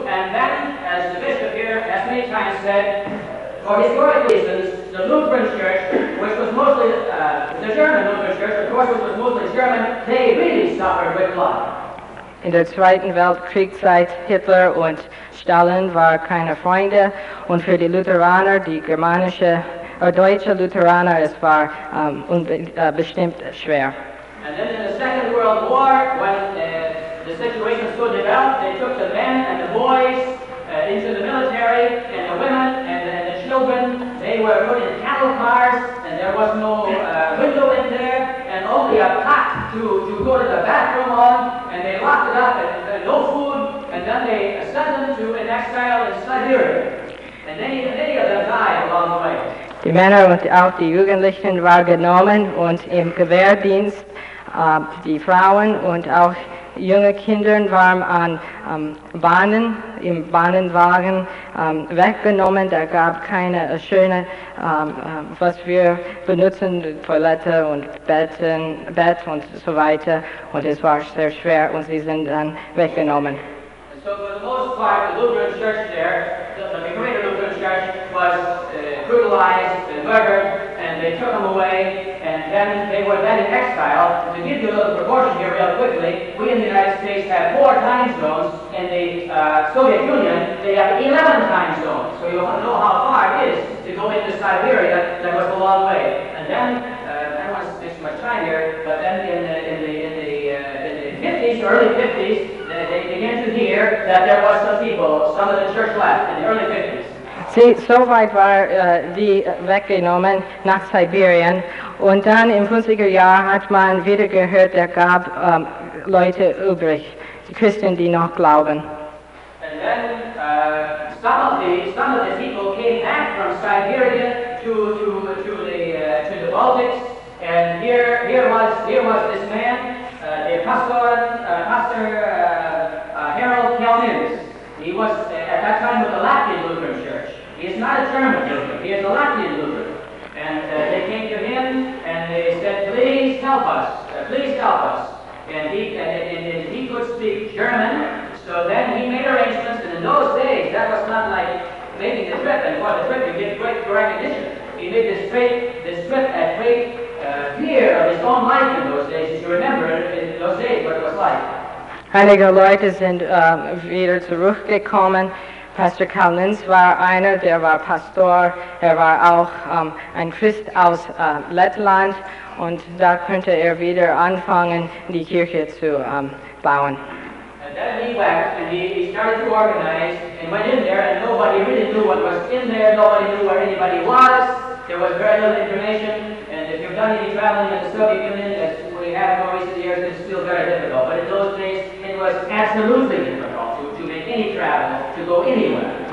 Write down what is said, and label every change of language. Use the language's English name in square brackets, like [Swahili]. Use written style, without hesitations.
[English] And then, as the bishop here has many times said, for historic reasons, the Lutheran Church, which was mostly the German Lutheran Church, of course, which was mostly German, they really suffered with blood. [German] In der Zweiten Weltkriegszeit, Hitler und Stalin waren keine Freunde, und für die Lutheraner, die germanische oder deutsche Lutheraner, es war bestimmt schwer. [English] And then in the Second World War, when the situation so developed, they took the men and the boys into the military, and the women and the children, they were put in cattle cars, and there was no window in there, and only a pot to go to the bathroom on, and they locked it up, and no food, and then they sent them to an exile in Siberia. And many of them died along the way. [German] Die Männer und auch die Jugendlichen waren genommen und im Gewehrdienst. Die Frauen und auch junge Kinder waren an Bahnen, im Bahnenwagen weggenommen. Da gab keine schöne, was wir benutzen, Toilette und Bett und so weiter. Und es war sehr schwer und sie sind dann weggenommen. [English] So for the most part, the Lutheran Church there, the greater Lutheran Church, was brutalized and murdered, and they took them away, and then they were then in exile. To give you a little proportion here real quickly, we in the United States have four time zones, in the Soviet Union, they have 11 time zones. So you know how far it is to go into Siberia. That was a long way. And then I want to speak much time here. But then in the early 50s, they began to hear that there was some people, some of the church left in the early 50s. [German] Sie, soweit war sie weggenommen nach Sibirien. Und dann im 50er Jahr hat man wieder gehört, da gab Leute übrig, Christen, die noch glauben. [English] And then some of the people came back from Siberia to the Baltics. And here was this man, the Pastor Harold Kalnins. He was at that time with the Latvian Lutheran Church. He is not a German Lutheran, he is a Latvian Lutheran. And they came to him and they said, please help us. And he could speak German. So then he made arrangements, and in those days, that was not like making the trip. And for the trip, you get great recognition. He made this trip at great fear of his own life in those days, if you remember in those days what it was like. [German] Einige Leute sind wieder zurückgekommen. Pastor Kalnins war einer, der war Pastor, er war auch ein Christ aus Lettland, und da könnte er wieder anfangen, die Kirche zu bauen. [English] And then he left, and he started to organize, and went in there, and nobody really knew what was in there, nobody knew where anybody was, there was very little information, and if you've done any traveling in the Soviet Union, as we have in more recent years, it's still very difficult, but in those days, it was absolutely difficult to make any travel, to go anywhere.